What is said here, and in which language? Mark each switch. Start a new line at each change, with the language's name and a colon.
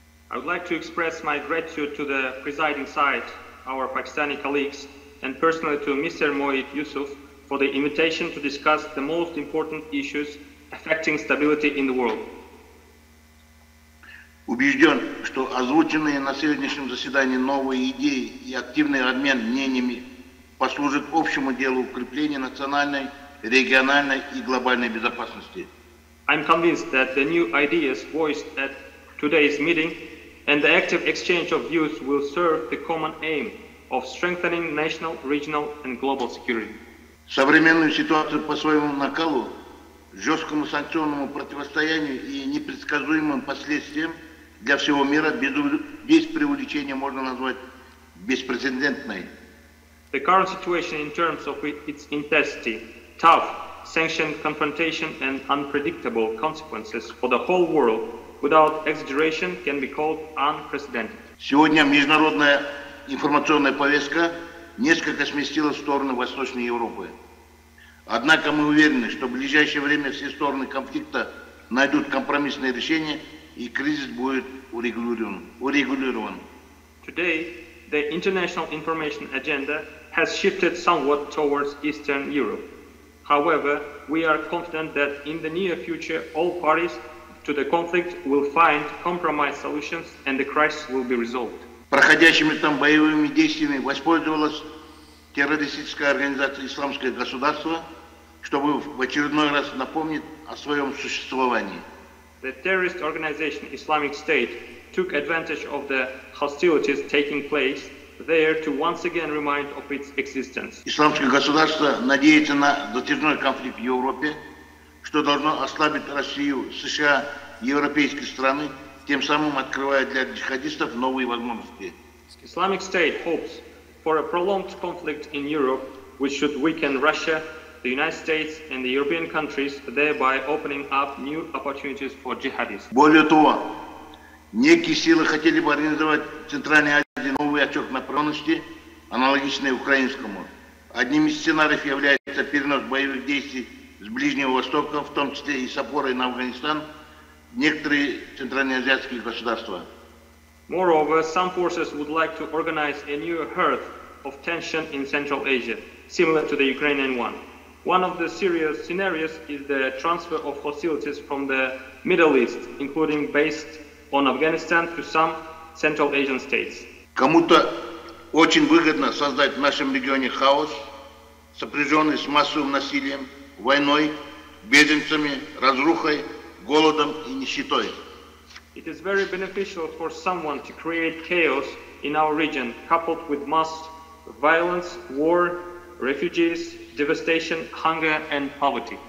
English: I would like to express my gratitude to the presiding side, our Pakistani colleagues, and personally to Mr. Moeed Yusuf for the invitation to discuss the most important issues affecting stability in the world.
Russian: Убежден, что озвученные на сегодняшнем заседании новые идеи и активный обмен мнениями послужат общему делу укрепления национальной, региональной и глобальной безопасности.
English: I'm convinced that the new ideas voiced at today's meeting and the active exchange of views will serve the common aim of strengthening national, regional and global security.
Russian: Современную ситуацию по своему накалу, жесткому санкционному противостоянию и непредсказуемым последствиям для всего мира без преувеличения можно назвать беспрецедентной.
English: The current situation in terms of its intensity, tough sanctioned confrontation and unpredictable consequences for the whole world without exaggeration can be called unprecedented.
Russian: Сегодня международная информационная повестка несколько сместилась в сторону Восточной Европы. Однако мы уверены, что в ближайшее время все стороны конфликта найдут компромиссные решения и кризис будет урегулирован.
English: Today, the international information agenda has shifted somewhat towards Eastern Europe. However, we are confident that in the near future, all parties to the conflict will find compromise solutions and the crisis will be resolved.
Russian: Проходящими там боевыми действиями воспользовалась террористическая организация «Исламское государство», чтобы в очередной раз напомнить о своем существовании.
English: The terrorist organization Islamic State took advantage of the hostilities taking place there to once again remind of its existence.
Russian: Исламское государство надеется на затяжной конфликт в Европе, что должно ослабить Россию, США, европейские страны, тем самым открывая для джихадистов новые возможности.
English: Islamic State hopes for a prolonged conflict in Europe, which should weaken Russia, the United States and the European countries, thereby opening up new opportunities for jihadists.
Russian: Более того, некие силы хотели бы организовать в Центральной Азии новый очаг напряженности, аналогичный украинскому. Одним из сценариев является перенос боевых действий с Ближнего Востока, в том числе и с опорой на Афганистан, некоторые центральноазиатские государства.
English: Moreover, some forces would like to organize a new hearth of tension in Central Asia, similar to the Ukrainian one. One of the serious scenarios is the transfer of hostilities from the Middle East, including based on Afghanistan, to some Central Asian states.
Russian: Кому-то очень выгодно создать в нашем регионе хаос, сопряженный с массовым насилием, войной, беженцами, разрухой, голодом и нищетой.
English: It is very beneficial for someone to create chaos in our region, coupled with mass violence, war, refugees, devastation, hunger and poverty.